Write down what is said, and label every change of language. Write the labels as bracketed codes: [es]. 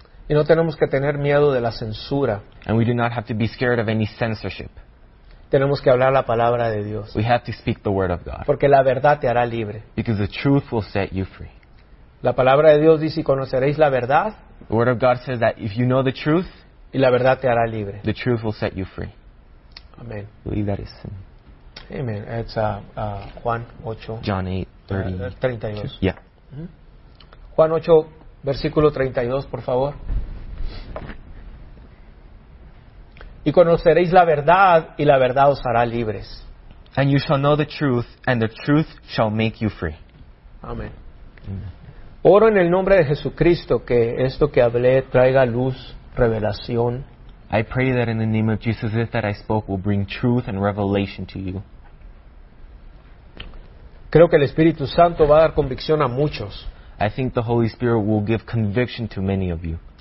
[es] Y no tenemos que tener miedo de la censura. [en] And we do not have to be scared of any censorship. [es] Tenemos que hablar la palabra de Dios. [en] We have to speak the word of God. [es] Porque la verdad te hará libre. [en] Because the truth will set you free. [es] La palabra de Dios dice, y conoceréis la verdad. [en] The word of God says that if you know the truth, [es] y la verdad te hará libre. [en] The truth will set you free. Amen. I believe that is sin. Amen. It's Juan 8. John 8, 32. Yeah. [es] Juan 8, versículo 32, por favor. Y conoceréis la verdad, y la verdad os hará libres. [en] And you shall know the truth, and the truth shall make you free. [es] Amén. Oro en el nombre de Jesucristo, que esto que hablé traiga luz, revelación. [en] I pray that in the name of Jesus, this that I spoke will bring truth and revelation to you. [es] Creo que el Espíritu Santo va a dar convicción a muchos. [en] I think the Holy Spirit will give conviction to many of you.